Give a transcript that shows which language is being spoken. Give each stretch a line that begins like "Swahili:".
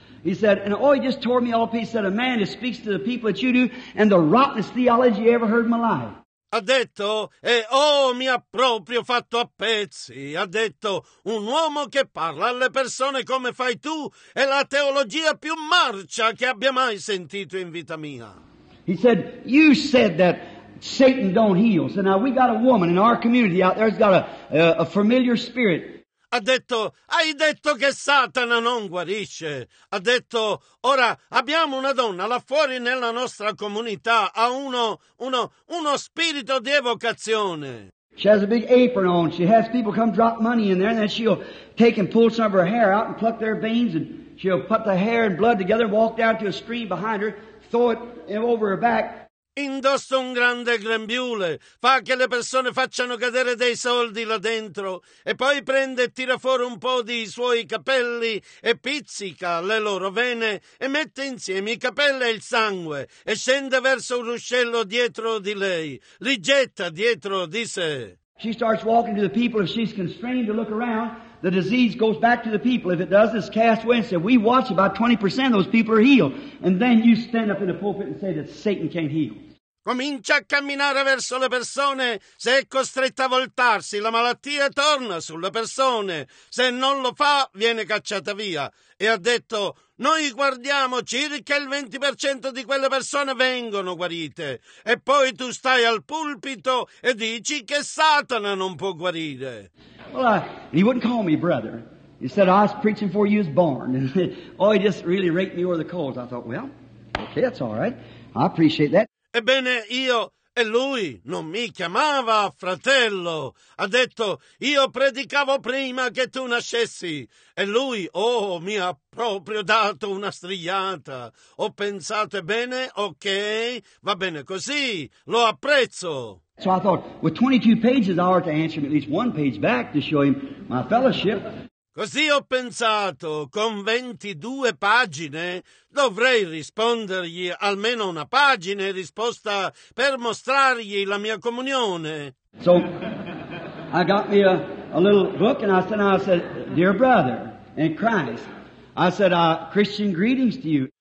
English: He said, and oh, he just tore me all pieces. He said, a man who speaks to the people that you do and the rottenest theology you ever heard in my life.
Italian: Ha detto, e oh, mi ha proprio fatto a pezzi. Ha detto, un uomo che parla alle persone come fai tu è la teologia più marcia che abbia mai sentito in vita mia.
English: He said, you said that Satan don't heal. So now we got a woman in our community out there who's got a familiar spirit.
Italian: Ha detto, hai detto che Satana non guarisce. Ha detto, ora abbiamo una donna là fuori nella nostra comunità, ha uno spirito di evocazione.
English: She has a big apron on, she has people come drop money in there, and then she'll take and pull some of her hair out and pluck their veins, and she'll put the hair and blood together, walk down to a stream behind her, throw it over her back.
Italian: Indossa un grande grembiule, fa che le persone facciano cadere dei soldi là dentro, e poi prende e tira fuori un po' di suoi capelli e pizzica le loro vene e mette insieme i capelli e il sangue e scende verso un ruscello dietro di lei, li getta dietro di sé.
English: She starts walking to the people. If she's constrained to look around, the disease goes back to the people. If it does, it's cast away. And so we watch about 20% of those people are healed. And then you stand up in the pulpit and say that Satan can't heal.
Italian: Comincia a camminare verso le persone. Se è costretta a voltarsi, la malattia torna sulle persone. Se non lo fa, viene cacciata via. E ha detto, noi guardiamo, circa il 20% di quelle persone vengono guarite. E poi tu stai al pulpito e dici che Satana non può guarire.
English: Well, he wouldn't call me brother. He said, I was preaching before you was born. Oh, he just really raked me over the coals. I thought, well, okay, that's all right. I appreciate that.
Italian: Ebbene, io e lui non mi chiamava fratello. Ha detto, io predicavo prima che tu nascessi. E lui, oh, mi ha proprio dato una strigliata. Ho pensato, ebbene, ok, va bene così, lo apprezzo.
English: So I thought, with 22 pages, I ought to answer him at least one page back to show him my fellowship.
Italian: Così ho pensato, con 22 pagine dovrei rispondergli almeno una pagina e risposta per mostrargli la mia comunione.
English: So I got me a little book and I said, dear brother in Christ, I said, Christian greetings to you.